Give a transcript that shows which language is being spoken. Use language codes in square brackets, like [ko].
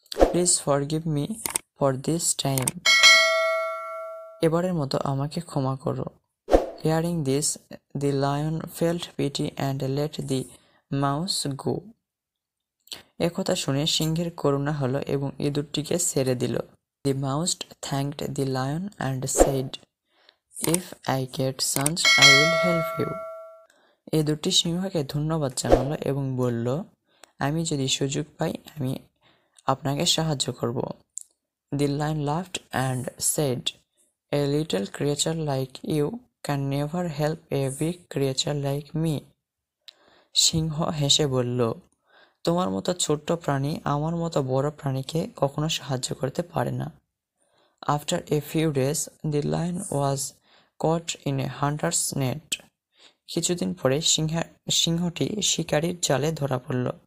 [en] please forgive me for this time, [bn] এবারের মতো আমাকে ক্ষমা করো। [en] Hearing this, the lion felt pity and let the mouse go. [bn] একথা শুনে সিংহের করুণা হলো এবং ইঁদুরটিকে ছেড়ে দিল। [en] The mouse thanked the lion and said, If I get sons, I will help you. [bn] এ দুটি সিংহকে ধন্যবাদ জানালো এবং বলল, আমি যদি সুযোগ পাই আমি আপনাকে সাহায্য করব। [en] The lion laughed and said, A little creature like you can never help a big creature like me. [bn] সিংহ হেসে বলল, তোমার মতো ছোট্ট প্রাণী আমার মতো বড় প্রাণীকে কখনো সাহায্য করতে পারে না। [en] After a few days, the lion was caught in a hunter's net. [bn] কিছুদিন পরে সিংহটি শিকারির জালে ধরা পড়ল।